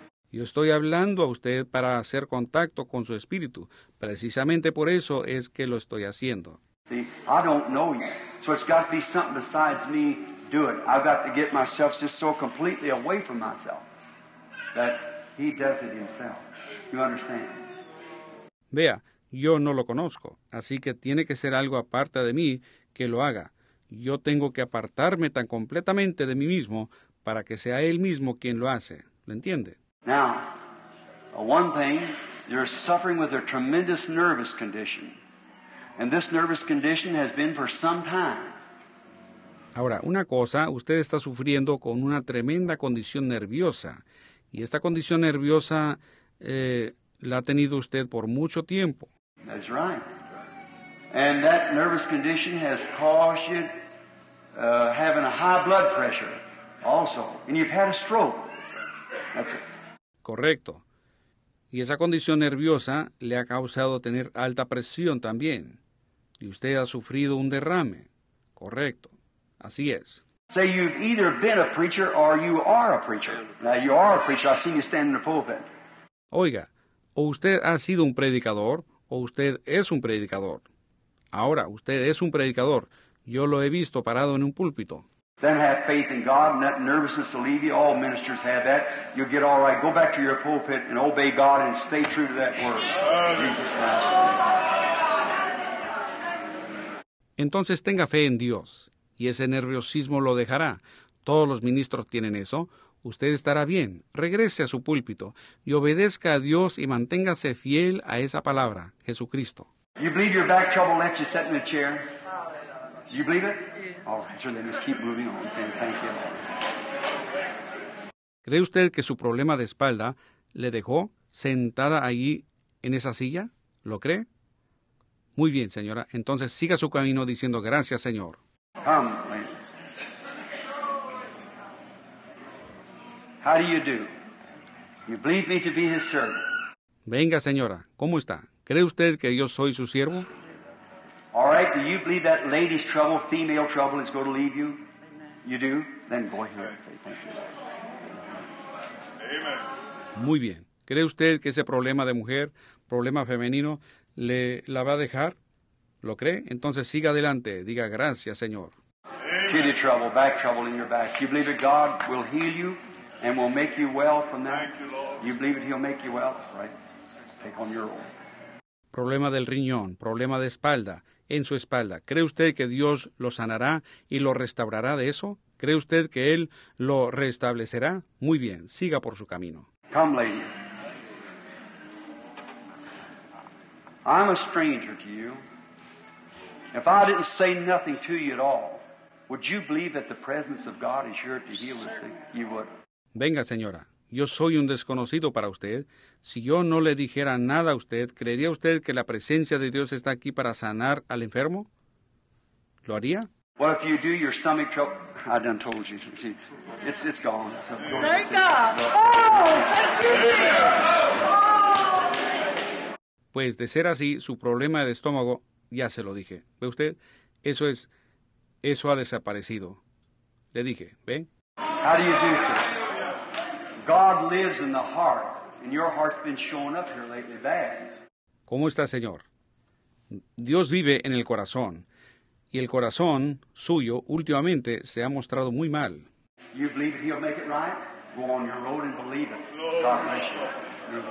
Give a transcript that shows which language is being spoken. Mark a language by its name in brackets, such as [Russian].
[Spanish] Yo estoy hablando a usted para hacer contacto con su espíritu. Precisamente por eso es que lo estoy haciendo. [English] See, I don't know you. So it's got to be something besides me doing. I've got to get myself just so completely away from myself that he does it himself. You understand? [Spanish] Vea, yo no lo conozco, así que tiene que ser algo aparte de mí que lo haga. Yo tengo que apartarme tan completamente de mí mismo para que sea él mismo quien lo hace. ¿Lo entiende? [English] Now, one thing, you're suffering with a tremendous nervous condition. And this nervous condition has been for some time. [Spanish] Ahora, una cosa, usted está sufriendo con una tremenda condición nerviosa. Y esta condición nerviosa la ha tenido usted por mucho tiempo. [English] That's right. And that nervous condition has caused you having a high blood pressure also. And you've had a stroke. That's it. [Spanish] Correcto. Y esa condición nerviosa le ha causado tener alta presión también. Y usted ha sufrido un derrame. Correcto. Así es. [English] So you've either been a preacher or you are a preacher. Now you are a preacher. I've seen you stand in the pulpit. [Spanish] Oiga, o usted ha sido un predicador o usted es un predicador. Ahora, usted es un predicador. Yo lo he visto parado en un púlpito. [English] Then have faith in God and that nervousness will leave you. All ministers have that. You'll get all right. Go back to your pulpit and obey God and stay true to that word. Jesus Christ. [Spanish] Entonces tenga fe en Dios, y ese nerviosismo lo dejará. Todos los ministros tienen eso. Usted estará bien. Regrese a su púlpito y obedezca a Dios y manténgase fiel a esa palabra, Jesucristo. [English] You believe your back trouble left you sitting in a chair? You believe it? All right, so then just keep moving on. Saying thank you. [Spanish] ¿Cree usted que su problema de espalda le dejó sentada allí en esa silla? ¿Lo cree? Muy bien, señora. Entonces siga su camino diciendo gracias, Señor. [English] Come. How do you do? You believe me to be his servant. [Spanish] Venga, señora. ¿Cómo está? ¿Cree usted que yo soy su siervo? [English] All right. Do you believe that lady's trouble, female trouble, is going to leave you? You do? Then go ahead and say thank you. Amen. [Spanish] Muy bien. ¿Cree usted que ese problema de mujer, problema femenino, le la va a dejar? ¿Lo cree? Entonces siga adelante, diga gracias, Señor. [English] Kidney trouble, back trouble in your back. You believe that God will heal you and will make you well from that? Thank you, Lord. You believe that he'll make you well, right? Take on your own. [Spanish] Problema del riñón, problema de espalda, en su espalda. ¿Cree usted que Dios lo sanará y lo restaurará de eso? ¿Cree usted que él lo restablecerá? Muy bien, siga por su camino. [English] Come, lady. I'm a stranger to you. If I didn't say nothing to you at all, would you believe that the presence of God is here to heal us? You would. [Spanish] Venga, señora. Yo soy un desconocido para usted. Si yo no le dijera nada a usted, ¿creería usted que la presencia de Dios está aquí para sanar al enfermo? ¿Lo haría? [English] Well, if you do, your stomach trouble... I done told you. See, it's gone. Thank God. Oh, thank you. [Spanish] Pues de ser así, su problema de estómago, ya se lo dije. ¿Ve usted? Eso ha desaparecido. Le dije, ¿ve? [English] How do you do, sir? God lives in the heart, and your heart's been showing up here lately bad. [Spanish] ¿Cómo está, señor? Dios vive en el corazón, y el corazón suyo últimamente se ha mostrado muy mal. [English] You believe he'll make it right? Go on your road and believe it. God bless you.